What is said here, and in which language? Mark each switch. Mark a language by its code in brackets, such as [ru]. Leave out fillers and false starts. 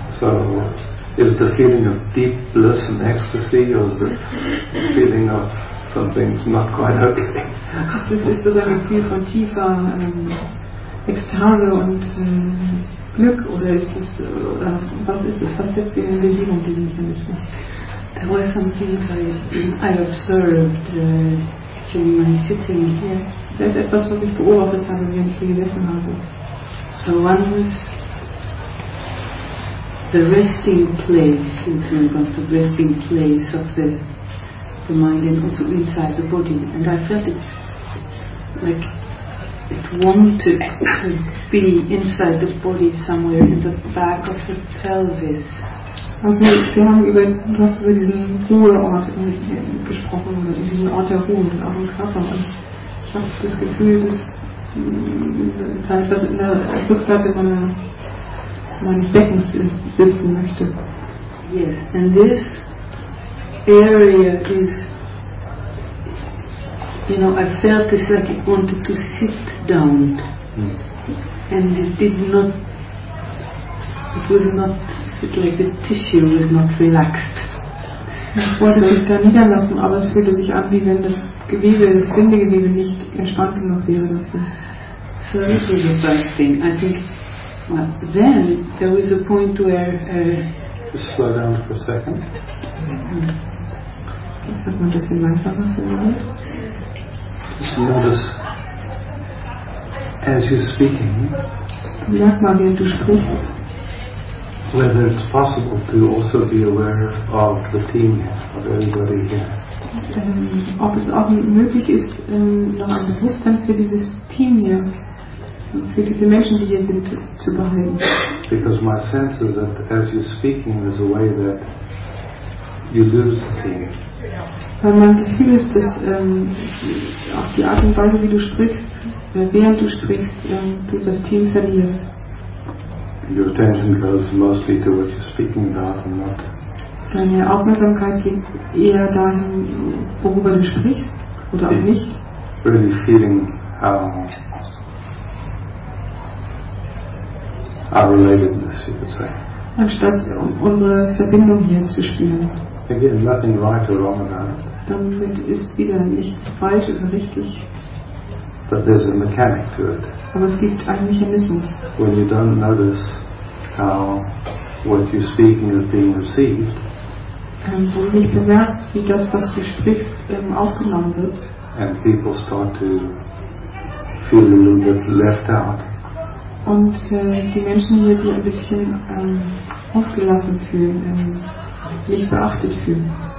[en] So, is it the feeling of deep bliss and ecstasy, or is it the feeling of something's not quite okay? [de] Das ist sozusagen ein Gefühl von tiefer Ekstase und Glück, was setzt ihn in Bewegung, diesen Mechanismus? [en] There were some things I observed in my sitting here. [de] Das ist etwas, was ich beobachtet habe, während ich hier gesessen habe. [en] So one is the resting place, in terms of the resting place of the mind and also inside the body. And I felt it like it wanted to be inside the body somewhere in the back of the pelvis. [de] Also wir haben über, du hast über diesen Ruheort gesprochen, diesen Ort der Ruhe mit eurem Körper. Und ich habe das Gefühl, dass da etwas in der Rückseite meines Beckens sitzen möchte. [en] Yes, and this area is, you know, I felt this like it wanted to sit down. And it did not, it was not, it's like the tissue is not relaxed. [de] Ich wollte mich da niederlassen, aber es fühlte sich an, wie wenn das Gewebe, das Bindegewebe nicht entspannt genug wäre dafür. [en] So this was the first thing. I think, well, then there was a point where... Just slow down for a second. [de] Hat man das denn langsamer verändert? [en] Just notice, as you're speaking. [de] Merk mal, während du sprichst. [en] Whether it's possible to also be aware of the team here, of everybody here. [de] Ob es auch möglich ist, noch ein Bewusstsein für dieses Team hier, für diese Menschen, die hier sind, zu behalten. [en] Because my sense is that as you're speaking, there's a way that you lose the team. [de] Weil mein Gefühl ist, dass auf die Art und Weise, wie du sprichst, während du sprichst, du das Team verlierst. [en] Your attention goes mostly to what you're speaking about and not. [de] Deine Aufmerksamkeit geht eher dahin, worüber du sprichst, oder auch nicht. [en] Really feeling how our relatedness, you could say. [de] Anstatt unsere Verbindung hier zu spüren. [en] Again, nothing right or wrong about it. [de] Damit ist wieder nichts falsch oder richtig. [en] But there's a mechanic to it. [de] Aber es gibt einen Mechanismus. [en] When you don't notice how what you're speaking is being received. [de] Wo du nicht bemerkst, wie das, was du sprichst, aufgenommen wird. [en] And people start to feel a little bit left out. [de] Und die Menschen hier sich ein bisschen ausgelassen fühlen, nicht beachtet fühlen.